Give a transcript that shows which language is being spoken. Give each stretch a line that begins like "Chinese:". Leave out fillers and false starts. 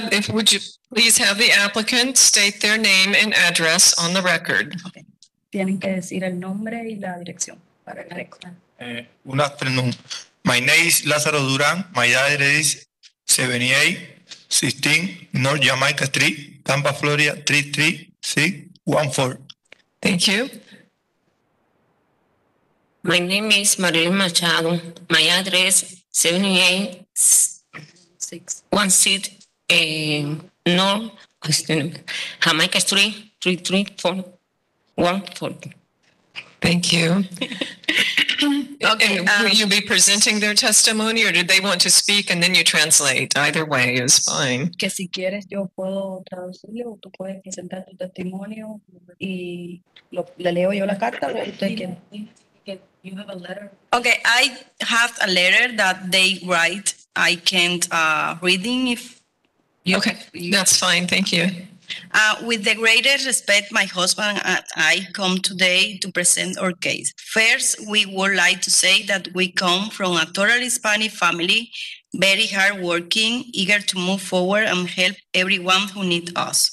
English: would you please have the applicant state their name and address on the record? Okay.
Spanish: Tienen que decir el nombre y la dirección para el
English: récord. Un afternoon. My name is Lázaro Durán. My address is 7816 North Jamaica Street, Tampa, Florida, 33614. Thank you. My name is Marilyn Machado. My address is 7816 North Jamaica Street, 33414. Thank you. Okay. And will you be presenting their testimony or did they want to speak and then you translate? Either way is fine.
Spanish: Que si quieres yo puedo traducirlo o tú puedes presentar tu testimonio y le leo yo la carta o usted quiere.
English: You have a letter. Okay, I have a letter that they write. I can't read it if you. Okay, that's fine. Thank you. With the greatest respect, my husband and I come today to present our case. First, we would like to say that we come from a totally Hispanic family, very hardworking, eager to move forward and help everyone who needs us.